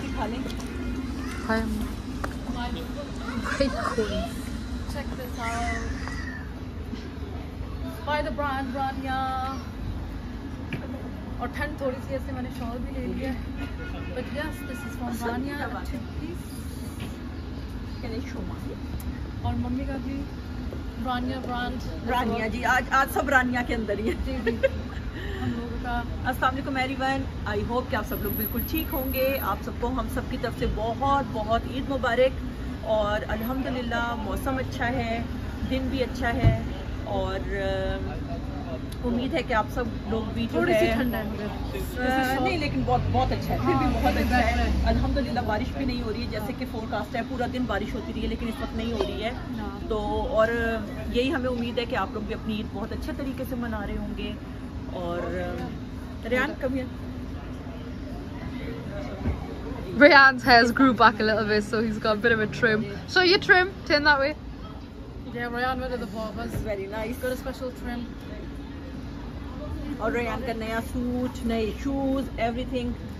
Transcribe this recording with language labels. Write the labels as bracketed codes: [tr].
[en] hi khale. Hi. Quite cool. Check this out. By the brand Rania. [hi] Aur thand thodi si hai isliye maine shawl bhi le liya hai. [en] But yes, this is from Rania. Can I show my? [hi] और mummy का भी रानिया brand रानिया जी आज सब रानिया के अंदर ही है जी का। अस्सलाम वालेकुम एवरीवन, आई होप कि आप सब लोग बिल्कुल ठीक होंगे। आप सबको हम सब की तरफ से बहुत बहुत ईद मुबारक। और अल्हम्दुलिल्लाह मौसम अच्छा है, दिन भी अच्छा है और उम्मीद है कि आप सब लोग भी जो थोड़ी है सी ठंड है नहीं लेकिन बहुत अच्छा है। फिर भी बहुत अच्छा है, अल्हम्दुलिल्लाह बारिश भी नहीं हो रही है जैसे कि फोरकास्ट है। पूरा दिन बारिश होती रही है लेकिन इस वक्त नहीं हो रही है। तो और यही हमें उम्मीद है कि आप लोग भी अपनी ईद बहुत अच्छे तरीके से मना रहे होंगे। और रियान कभी [en] Rayan's hair has grew back a little bit so he's got a bit of a trim. So your trim, turn that way. Yeah, Rayan went to the barbers. Very nice. He's got a special trim. [hi] और रियान का नया suit, नए shoes, everything.